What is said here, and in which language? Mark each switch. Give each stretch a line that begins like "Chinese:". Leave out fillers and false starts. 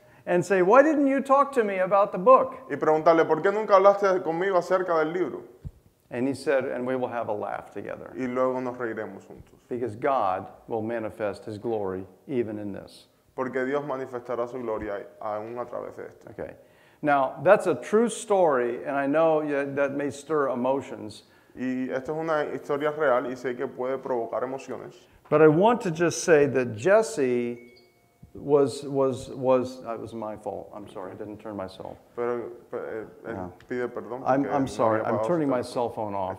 English: and say, why didn't you talk to me about the book?
Spanish: Y preguntarle, ¿por qué nunca hablaste conmigo acerca del libro?
English: And he said, and we will have a laugh together.
Spanish: Y luego nos reiremos juntos.
English: Because God will manifest his glory even in this.
Spanish: Porque Dios manifestará su gloria aún a través de esto.
English: Okay. Now, that's a true story, and I know that may stir emotions.
Spanish: Y esto es una historia real, y sé que puede provocar emociones.
English: But I want to just say that Jesse was it was my fault. I'm sorry, I didn't turn myself.
Spanish: Pide perdón.
English: I'm sorry, I'm turning my cell phone off.